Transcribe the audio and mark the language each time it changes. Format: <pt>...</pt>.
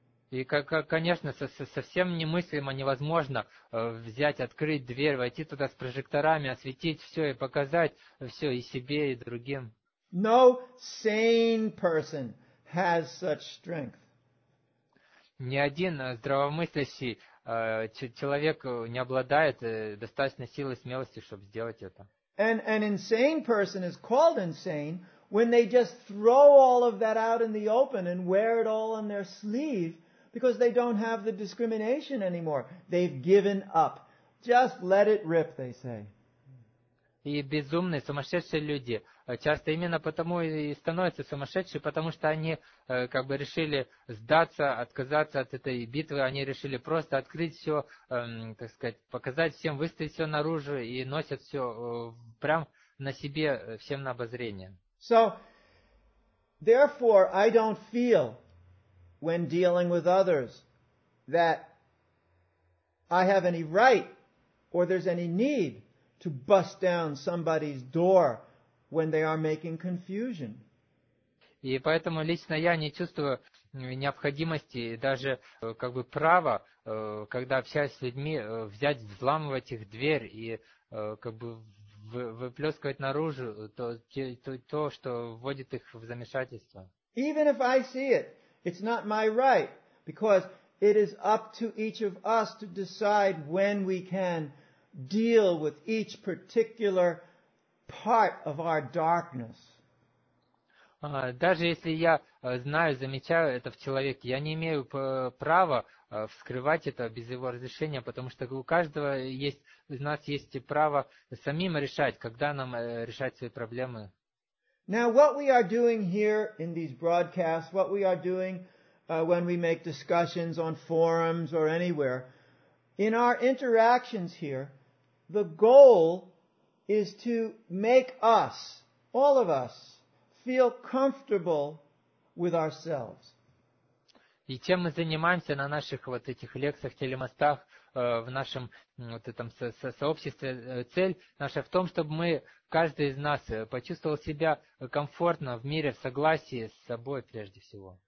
<ru>И, конечно, совсем немыслимо, невозможно взять, открыть дверь, войти туда с прожекторами, осветить все и показать все и себе, и другим.</ru> <en>No sane person has such strength.</en> <ru>Ни один здравомыслящий человек не обладает достаточной силой и смелости, чтобы сделать это.</ru> <en>An insane person is called insane when they just throw all of that out in the open and wear it all on their sleeve because they don't have the discrimination anymore. They've given up. Just let it rip, they say.</en> <ru>И безумные, сумасшедшие люди часто именно потому и становятся сумасшедшими, потому что они как бы решили сдаться, отказаться от этой битвы, они решили просто открыть все, так сказать, показать всем, выставить все наружу и носят все прям на себе, всем на обозрение.</ru> <en>So, therefore, I don't feel when dealing with others that I have any right or there's any need to bust down somebody's door when they are making confusion.</en> <ru>И поэтому лично я не чувствую необходимости даже как бы права, когда общаюсь с людьми, взять, взламывать их дверь и как бы выплескивать наружу то, что вводит их в замешательство.</ru> <en>Even if I see it, it's not my right, because it is up to each of us to decide when we can deal with each particular part of our darkness.</en> <ru>Даже если я знаю, замечаю это в человеке, я не имею права вскрывать это без его разрешения, потому что у каждого есть, из нас есть право самим решать, когда нам решать свои проблемы.</ru> <en>Now, what we are doing here in these broadcasts, what we are doing when we make discussions on forums or anywhere, in our interactions here, the goal is to make us, all of us, feel comfortable with ourselves.</en> <ru>И чем мы занимаемся на наших вот этих лекциях, телемостах, в нашем вот этом сообществе, цель наша в том, чтобы мы, каждый из нас, почувствовал себя комфортно в мире, в согласии с собой прежде всего.</ru>